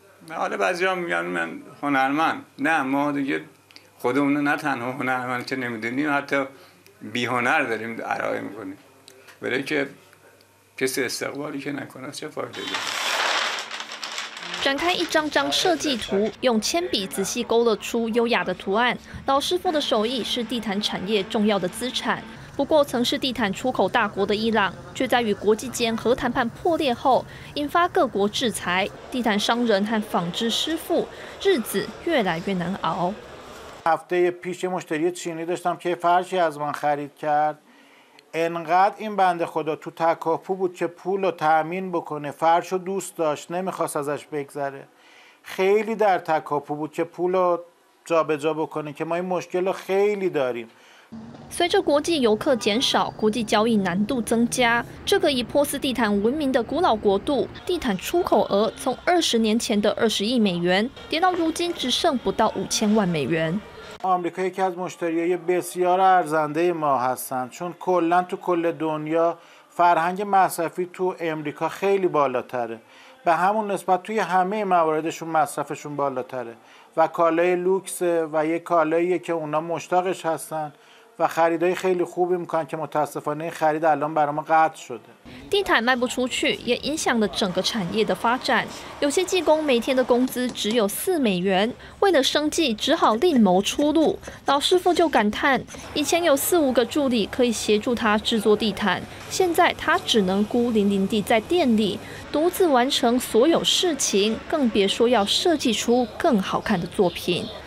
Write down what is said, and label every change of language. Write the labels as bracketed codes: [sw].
[fa] حالا بعضی ها میگن من هنرمند، نه ما دیگه خودمون نه تنها هنرمند که نمیدونیم، حتی بی هنر داریم ارائه میکنیم، برای که کسی استقبالی که نکنه چه فایده داره. [zh] 展开一张张设计图，用铅笔仔细勾勒出优雅的图案。老师傅的手艺是地毯产业重要的资产，不过曾是地毯出口大国的伊朗却在与国际间核谈判破裂后引发各国制裁，地毯商人和纺织师傅日子越来越难熬。 [fa] هفته پیش مشتری چینی داشتم که فرشی از من خرید کرد، انقدر این بنده خدا تو تکاپو بود که پول رو تامین بکنه، فرشو دوست داشت نمیخواست ازش بگذره، خیلی در تکاپو بود که پول رو جابجا بکنه که ما این مشکل رو خیلی داریم。 [zh] 随着国际游客减少，国际交易难度增加，这个以波斯地毯闻名的古老国度，地毯出口额从20年前的20亿美元，跌到如今只剩不到5000万美元。 [fa] آمریکا یکی از مشتریهای بسیار ارزنده ما هستند، چون کلا تو کل دنیا فرهنگ مصرفی تو آمریکا خیلی بالاتره، به همون نسبت توی همه مواردشون مصرفشون بالاتره و کالای لوکس و یه کالایی که اونا مشتاقش هستن و خریدای خیلی خوب میکنن که متاسفانه خرید الان برای ما قطع شده. [zh] 地毯卖不出去，也影响了整个产业的发展。有些技工每天的工资只有4美元，为了生计只好另谋出路。老师傅就感叹，以前有4-5个助理可以协助他制作地毯，现在他只能孤零零地在店里独自完成所有事情，更别说要设计出更好看的作品。